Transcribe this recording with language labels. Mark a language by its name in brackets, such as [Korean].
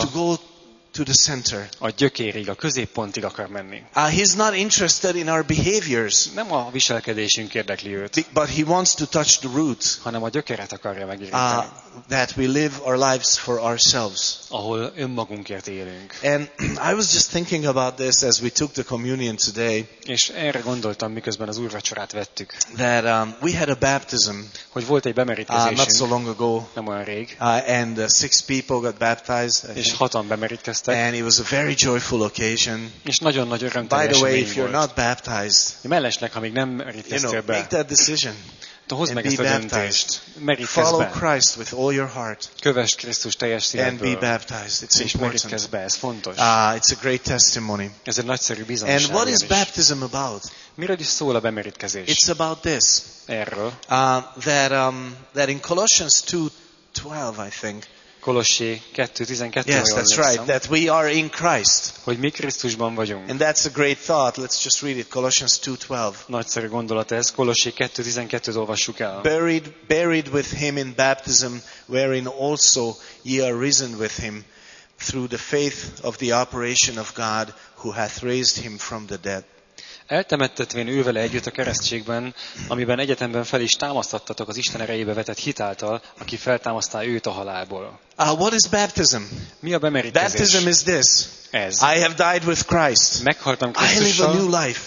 [English] to go to the center. [Hungarian] A gyökérig, a középpontig akar menni. [English] He's not interested in our behaviors. [Hungarian] Nem a viselkedésünk érdekli őt. [English] But he wants to touch the roots. [Hungarian] Hanem a gyökeret akarja megérinteni. [English] That we live our lives for ourselves. [Hungarian] Ahol önmagunkért élünk. [English] And I was just thinking about this as we took the communion today. [Hungarian] És erre gondoltam, miközben az úrvacsorát vettük. [English] That we had a baptism. [Hungarian] Hogy volt egy bemerítkezésünk. [English] Not so long ago. [Hungarian] Nem olyan rég. [English] And six people got baptized. [Hungarian] És hatan bemerítkeztek. [English] And it was a very joyful occasion. [Hungarian] És nagyon nagy örömteljes esemény volt. [English] By the way, if you're not baptized, [Hungarian] mellesleg, ha még nem merítkeztél be, [English] make that decision. [Hungarian] Hozd meg ezt a döntést. Merítkezz be. [English] Follow Christ with all your heart. [Hungarian] Kövess Krisztus teljes szívedből. [English] And be baptized. It's [Hungarian] merítkezz be. Ez fontos. [English] It's a great testimony. [Hungarian] Ez egy nagyszerű bizonyság. [English] And what is baptism about? [Hungarian] Miről is szól a bemerítkezés? [English] It's about this. [Hungarian] Erről. [English] That in Colossians 2:12, I think. [Hungarian] Kolossé 2:12. [English] Yes, that's right. That we are in Christ. [Hungarian] Hogy mi Krisztusban vagyunk. [English] And that's a great thought. Let's just read it. Colossians 2:12. [Hungarian] Nagyszerű gondolat ez. Kolossé 2:12-t olvassuk el. [English] Buried with him in baptism, wherein also ye are risen with him through the faith of the operation of God, who hath raised him from the dead. [Hungarian] Eltemettetvén ő vele együtt a keresztségben, amiben egyetemben fel is támasztattatok az Isten erejébe vetett hitáltal, aki feltámasztá őt a halálból. [English] What is baptism? [Hungarian] Mi a bemerítkezés? [English] Baptism is this. [Hungarian] Ez. [English] I have died with Christ. [Hungarian] Meghaltam Krisztussal. [English] I live a new life.